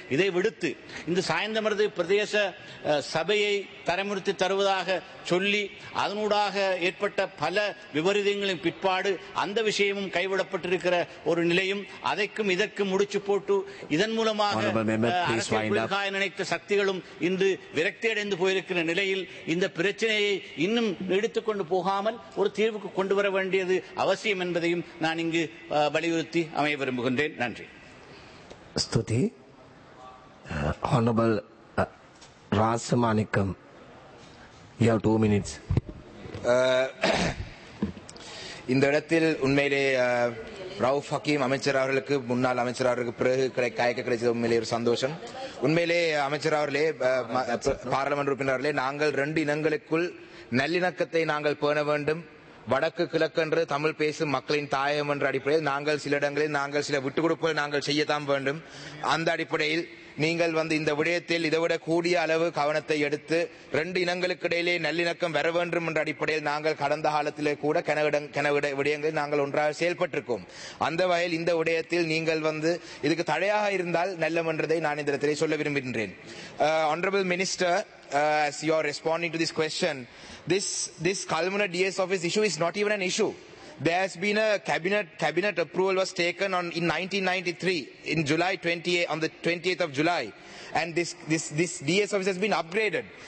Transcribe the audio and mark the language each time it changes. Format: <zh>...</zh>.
<ta>இதை விடுத்து இந்த சாய்ந்தமரது பிரதேச சபையை தரமுறுத்தி தருவதாக சொல்லி அதனூடாக ஏற்பட்ட பல விபரீதங்களின் பிற்பாடு அந்த விஷயமும் கைவிடப்பட்டிருக்கிற ஒரு நிலையும் அதைக்கும் இதற்கும் முடிச்சு போட்டு இதன் மூலமாக நினைத்த சக்திகளும் இன்று விரக்தியடைந்து போயிருக்கிற நிலையில் இந்த பிரச்சனையை இன்னும் நீடித்துக் கொண்டு போகாமல் ஒரு தீர்வுக்கு கொண்டு வர வேண்டியது அவசியம் என்பதையும் நான் இங்கு வலியுறுத்தி அமைய விரும்புகின்றேன். நன்றி.</ta> <si>ஸ்துதி.</si> <en>Hannibal Rasamanickam, you have 2 minutes.</en> <ta>இந்த இடத்தில் உண்மையிலே ரவுப் ஹக்கீம் அமைச்சர் அவர்களுக்கு, முன்னாள் அமைச்சர் அவர்களுக்கு பிறகு கிடைக்க கிடைச்சது உண்மையிலே ஒரு சந்தோஷம். உண்மையிலே அமைச்சர் அவர்களே, பாராளுமன்ற உறுப்பினர்களே, நாங்கள் ரெண்டு இனங்களுக்குள் நல்லிணக்கத்தை நாங்கள் பேண வேண்டும். வடக்கு கிழக்கென்று தமிழ் பேசும் மக்களின் தாயகம் என்ற அடிப்படையில் நாங்கள் சில இடங்களில் நாங்கள் சில விட்டுக் கொடுப்புகள் நாங்கள் செய்யத்தான் வேண்டும். அந்த அடிப்படையில் நீங்கள் வந்து இந்த விடயத்தில் இதைவிட கூடிய அளவு கவனத்தை எடுத்து ரெண்டு இனங்களுக்கு இடையிலே நல்லிணக்கம் வர வேண்டும் என்ற அடிப்படையில் நாங்கள் கடந்த காலத்திலே கூட விடயங்களில் நாங்கள் ஒன்றாக செயல்பட்டிருக்கோம். அந்த வகையில் இந்த விடயத்தில் நீங்கள் வந்து இதுக்கு தடையாக இருந்தால் நல்லமன்றதை நான் இந்த இடத்திலே சொல்ல விரும்புகின்றேன்.</ta> <en>Honourable minister, as you are responding to this question, this culminate DS office issue is not even an issue. There has been a cabinet approval was taken on in 1993 in July 28 on the 28th of July, and this DS office has been upgraded.</en>